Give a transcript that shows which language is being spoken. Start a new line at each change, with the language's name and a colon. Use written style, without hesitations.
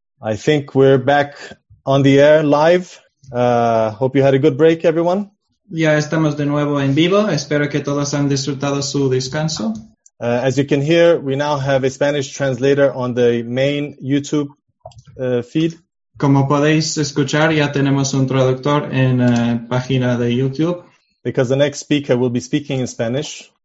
English: I think we're back on the air live. Hope you had a good break, everyone.
Spanish: Ya estamos de nuevo en vivo. Espero que todos han disfrutado su descanso.
English: As you can hear, we now have a Spanish translator on the main YouTube feed.
Spanish: Como podéis escuchar, ya tenemos un traductor en página de YouTube.
English: Because the next speaker will be speaking in Spanish.